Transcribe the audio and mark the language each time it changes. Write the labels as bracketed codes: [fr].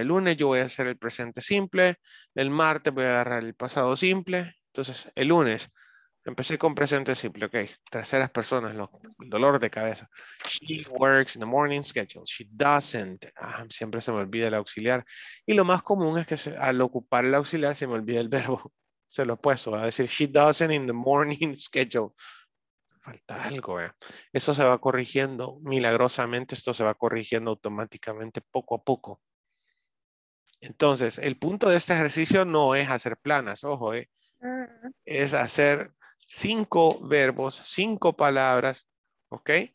[es] El lunes yo voy a hacer el presente simple. El martes voy a agarrar el pasado simple. Entonces, el lunes... Empecé con presente simple, ok. Terceras personas, el dolor de cabeza. [en] She works in the morning schedule. She doesn't. [es] Ah, siempre se me olvida el auxiliar. Y lo más común es que se, al ocupar el auxiliar se me olvida el verbo. Se lo opuesto. Va a decir, [en] she doesn't in the morning schedule. [es] Falta algo, ¿eh? Eso se va corrigiendo milagrosamente. Esto se va corrigiendo automáticamente poco a poco. Entonces, el punto de este ejercicio no es hacer planas, ojo, ¿eh? Es hacer... 5 verbos, 5 palabras, ¿ok?